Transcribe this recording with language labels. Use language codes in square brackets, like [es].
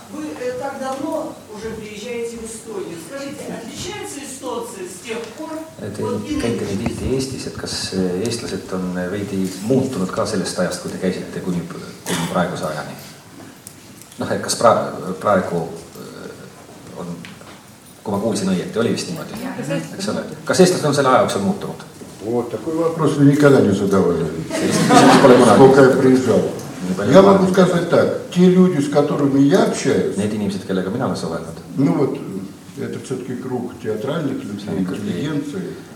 [ru] Vy tak davno уже приезжаете в Эстонию. Скажите, отличается ситуация с тех пор? [et] Te käite nii tihti Eestis, et kas eestlased on veidi muutunud ka sellest ajast, kui te käisite kuni praegu saajani? Noh, et kas praegu on, kui ma kuulsin õieti, oli vist niimoodi? Kas eestlased on selle ajaks on muutunud? [ru] Вот такой вопрос вы никогда не задавали, сколько я приезжал. Я могу сказать так, те люди, с которыми я общаюсь... Нет, не все-таки коллега меня называют. Ну вот, это все-таки круг театральных людей, интеллигенции.